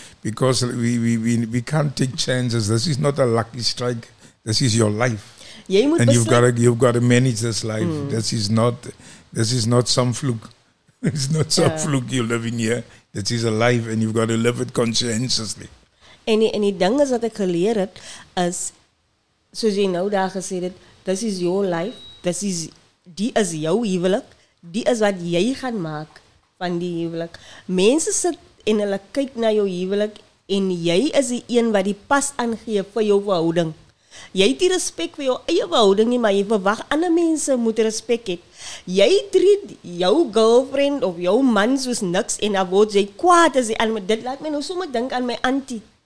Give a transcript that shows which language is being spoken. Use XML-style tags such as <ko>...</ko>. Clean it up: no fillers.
<en>Because we can't take chances. This is not a lucky strike. This is your life. Yeah, you and you've got to manage this life. Mm. This is not some fluke. It's not some fluke you're living here. This is a life and you've got to live it conscientiously.</en> <af>En die ding is wat ek geleer het, is, soos jy nou daar gesê het,</af> <en>this is your life,</en> <af>die is jou huwelik, die is wat jy gaan maak van die huwelik. Mense sit en hulle kyk na jou huwelik en jy is die een wat die pas aangee vir jou verhouding. Jy het die respect vir jou eie verhouding nie, maar jy verwag ander mense moet respect het. Jy treat jou girlfriend of jou man soos niks en dan word jy kwaad as die ander. Dit laat my nou sommer dink aan my auntie.</af>